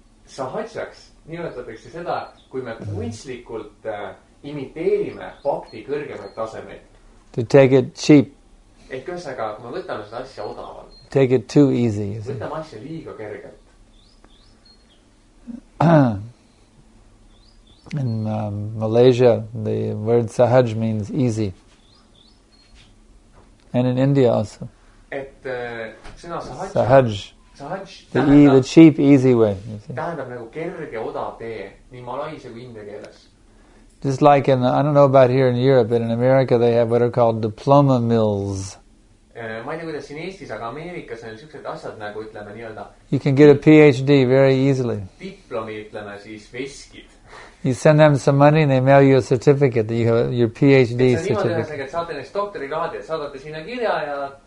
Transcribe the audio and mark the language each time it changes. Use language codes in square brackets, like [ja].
[et] Sahajaks nimetatakse seda, kui me kunstlikult imiteerime bhakti kõrgemat tasemeid. [en] To take it cheap. [et] Ehk ühesaga, kui me võtame seda asja odavalt. [en] Take it too easy. [et] Võtame asja liiga kergelt. [en] In Malaysia, the word sahaj means easy. And in India also. Sahaj. The cheap, easy way. [et] Tähendab nagu kerge odav tee, nii malaise kui india keeles. [en] Just like in, I don't know about here in Europe, but in America they have what are called diploma mills. [et] Ma ei tea, kuidas siin Eestis, aga Ameerikas on sellised asjad, nagu ütleme nii-öelda. [en] You can get a PhD very easily. [et] Diplomi ütleme siis veskid. [en] You send them some money and they mail you a certificate that you have your PhD certificate. [et] Et sa niimoodi ühesõnaga, et saate neist doktori raadi, et saadate sinna kirja ja